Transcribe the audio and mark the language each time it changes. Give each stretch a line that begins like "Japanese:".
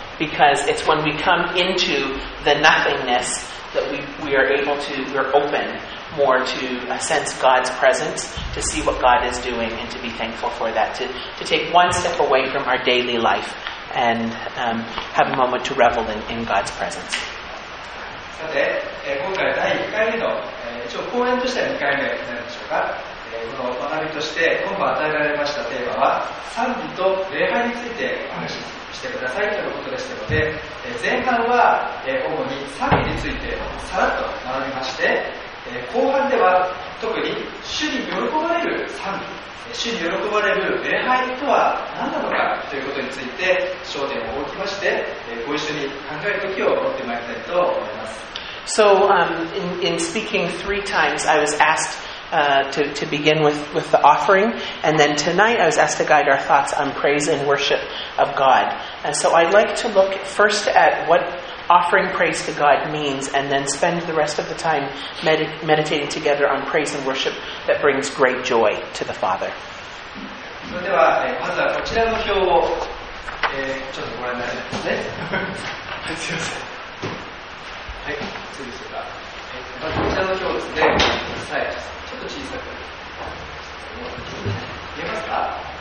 English: Because it's when we come into the nothingness that we're open more to sense God's presence, to see what God is doing and to be thankful for that, to take one step away from our daily life and have a moment to revel in God's presence.
Japanese: さて、今回第1回目の、一応講演としては2回目になるでしょうか。この学びとして今晩与えられましたテーマは賛美と礼拝についてお話ししてくださいということでしたので、前半は、主に賛美についてさらっと学びまして、後半では特に主に喜ばれる賛美、主に喜ばれる礼拝とは何なのかということについて焦点を置きまして、ご一緒に考える時を持ってまいりたいと思います。
English: So in speaking three times, I was asked to begin with the offering, and then tonight I was asked to guide our thoughts on praise and worship of God. And so I'd like to look first at what offering praise to God means, and then spend the rest of the time meditating together on praise and worship that brings great joy to the Father.
Japanese: それではまずはこちらの表を、ちょっとご覧になりますね。すいません。はい、次でしょうか。まずこちらの表ですね。はい、ちょっと小さく。見えますか？